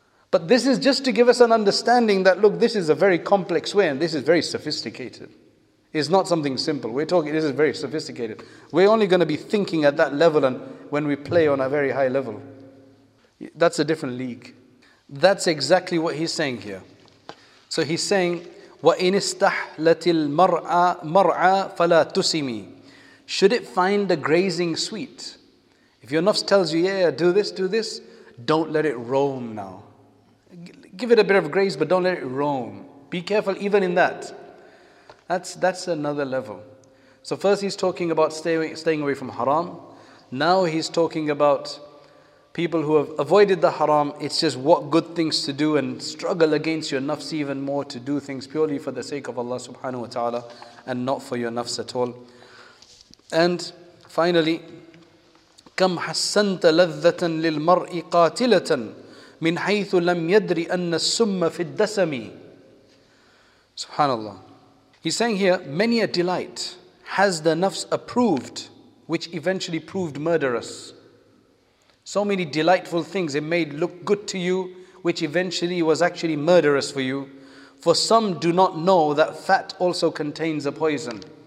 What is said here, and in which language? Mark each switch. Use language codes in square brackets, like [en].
[en] But this is just to give us an understanding that, look, this is a very complex way and this is very sophisticated. It's not something simple. We're talking, this is very sophisticated. We're only going to be thinking at that level and when we play on a very high level. That's a different league. That's exactly what he's saying here. So he's saying, [ar] وَإِنِ اسْتَحْلَتِ الْمَرْعَى فَلَا تُسِمِي. [en] Should it find the grazing sweet? If your nafs tells you, yeah, do this, don't let it roam now. Give it a bit of grace, but don't let it roam. Be careful even in that. That's another level. So first he's talking about staying away from haram. Now he's talking about people who have avoided the haram. It's just what good things to do and struggle against your nafs even more to do things purely for the sake of Allah subhanahu wa ta'ala and not for your nafs at all. And finally, [ar] كَمْ حَسَّنْتَ لَذَّةً لِلْمَرْءِ قَاتِلَةً مِنْ حَيْثُ لَمْ يَدْرِ أَنَّ السُّمَّ فِي الدَّسَمِ. [en] SubhanAllah. He's saying here, many a delight has the nafs approved, which eventually proved murderous. So many delightful things it made look good to you, which eventually was actually murderous for you. For some do not know that fat also contains a poison.